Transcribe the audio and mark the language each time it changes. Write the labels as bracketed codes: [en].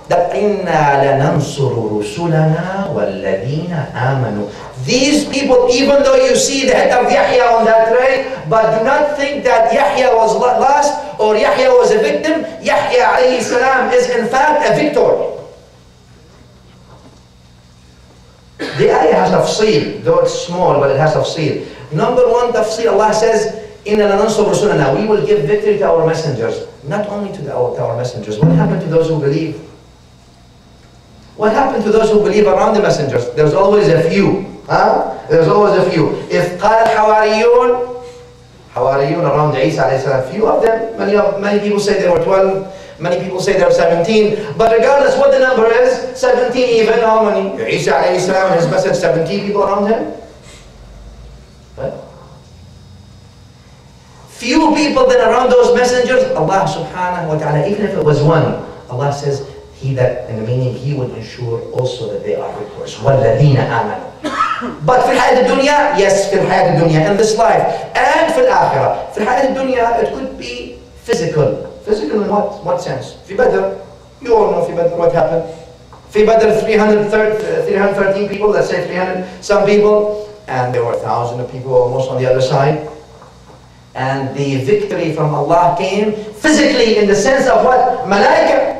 [en] That [ar] إِنَّا لَنَنْصُرُ رُسُولَنَا وَالَّذِينَ آمَنُوا. [en] These people, even though you see the head of Yahya on that tray, but do not think that Yahya was lost or Yahya was a victim. Yahya alayhi salam is in fact a victor. The ayah has tafsir, though it's small, but it has tafsir. Number one tafsir, Allah says, [ar] إِنَّا لَنَنْصُرُ رُسُولَنَا. [en] We will give victory to our messengers. Not only to our messengers. What happened to those who believe? What happened to those who believe around the messengers? There's always a few, huh? There's always a few. If [ar] قال حواريون, [en] حواريون around Isa alayhi salam, few of them, many people say there were 12, many people say there were 17, but regardless what the number is, 17 even, how many? Isa alayhi salam and his message, 17 people around him? Few people then around those messengers, Allah subhanahu wa ta'ala, even if it was one, Allah says, He would ensure also that they are victors. [ar] وَالَّذِينَ آمَنُوا. [en] But [ar] في الحياة الدنيا, [en] yes, [ar] في الحياة الدنيا, [en] in this life, and [ar] في الآخرة. في الحياة الدنيا, [en] it could be physical. Physical in what sense? [ar] في بدر, [en] you all know في بدر what happened. في بدر, 313 people, let's say 300 some people, and there were thousands of people almost on the other side. And the victory from Allah came physically in the sense of what? Malaika.